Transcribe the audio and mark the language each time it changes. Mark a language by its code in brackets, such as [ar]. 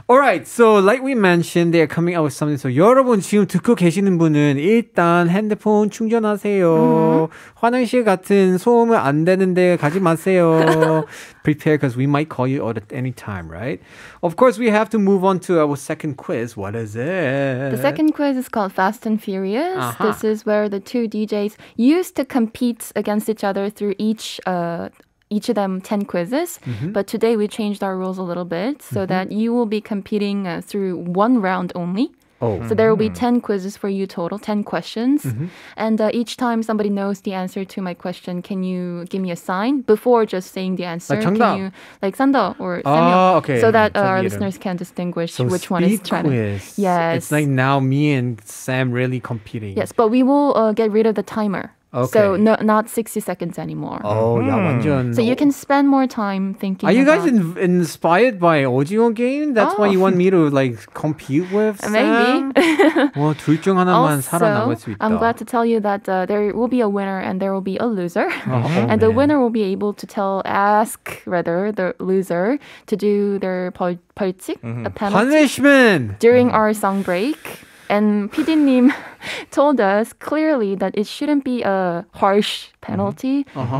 [en] All right, so like we mentioned, they are coming out with something. [ko] So 여러분 지금 듣고 계시는 분은 일단 핸드폰 충전하세요. 화장실 같은 소음은 안 되는데 가지 마세요. [en] Prepare because we might call you at any time, right? Of course, we have to move on to our second quiz. What is it? The second quiz is called Fast and Furious. Uh-huh. This is where the two DJs used to compete against each other through each of them 10 quizzes. But today we changed our rules a little bit so that you will be competing through one round only. So there will be 10 quizzes for you total, 10 questions. And each time somebody knows the answer to my question, can you give me a sign before just saying the answer? Like 정답. Can you, like 산다 or 산다. Okay. So that our listeners can distinguish so which one is trying. Quiz. Yes. It's like now me and Sam really competing. Yes, but we will get rid of the timer. Okay. So no, not 60 seconds anymore. Oh, mm. yeah, 완전. So you can spend more time thinking. Are you about... guys inspired by audio game? That's oh. why you want me to like compete with Sam? Maybe. [ko] 와, 둘 중 하나만 살아남을 수 있다. [en] I'm glad to tell you that there will be a winner and there will be a loser. Oh, and man. The winner will be able to tell, ask rather, the loser to do their 벌칙, a penalty. Punishment! During our song break. And PD님 told us clearly that it shouldn't be a harsh penalty, mm-hmm. uh-huh.